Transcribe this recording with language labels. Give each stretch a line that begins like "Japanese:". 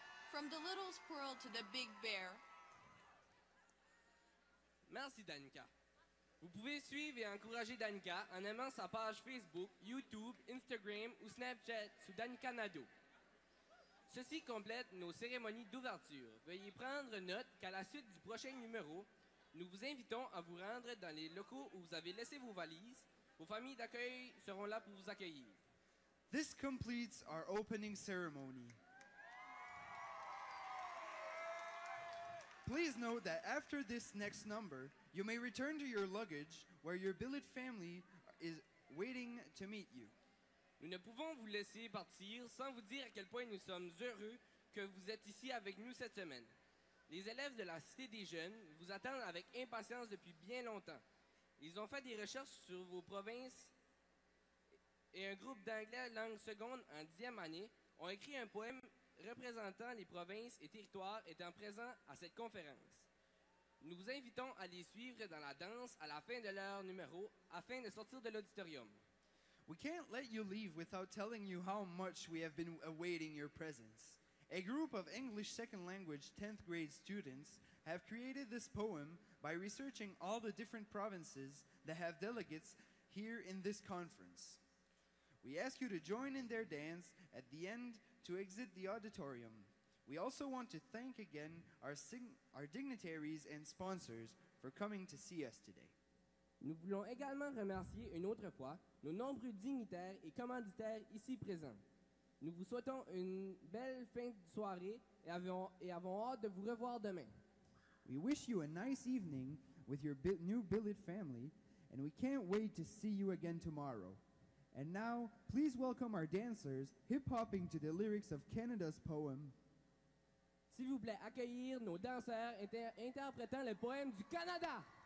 English: From the little squirrel to the big bear.
French: Merci, Danica. Vous pouvez suivre et encourager Danica en aimant sa page Facebook, YouTube, Instagram ou Snapchat sous Danica Nadeau. Ceci complète nos cérémonies d'ouverture. Veuillez prendre note qu'à la suite du prochain numéro, nous vous invitons à vous rendre dans les locaux où vous avez laissé vos valises. Vos familles d'accueil seront là pour vous accueillir.
English: This completes our opening ceremony. Please note that after this next number, you may return to your luggage where your billet family is waiting to meet you.
French: Nous ne pouvons vous laisser partir sans vous dire à quel point nous sommes heureux que vous êtes ici avec nous cette semaine. Les élèves de la Cité des Jeunes vous attendent avec impatience depuis bien longtemps. Ils ont fait des recherches sur vos provinces et un groupe d'anglais langue seconde en 10e année ont écrit un poème représentant les provinces et territoires étant présents à cette conférence. Nous vous invitons à les suivre dans la danse à la fin de leur numéro afin de sortir de l'auditorium.
English: We can't let you leave without telling you how much we have been awaiting your presence. A group of English second language 10th grade students have created this poem by researching all the different provinces that have delegates here in this conference. We ask you to join in their dance at the end to exit the auditorium. We also want to thank again our dignitaries and sponsors for coming to see us today.
French: Nous voulons également remercier une autre fois nos nombreux dignitaires et commanditaires ici présents. Nous vous souhaitons une belle fin de soirée et avons hâte de vous revoir demain.
English: We wish you a nice evening with your new billet family, and we can't wait to see you again tomorrow. And now, please welcome our dancers hip-hopping to the lyrics of Canada's poem.
French: S'il vous plaît, accueillir nos danseurs interprétant le poème du Canada.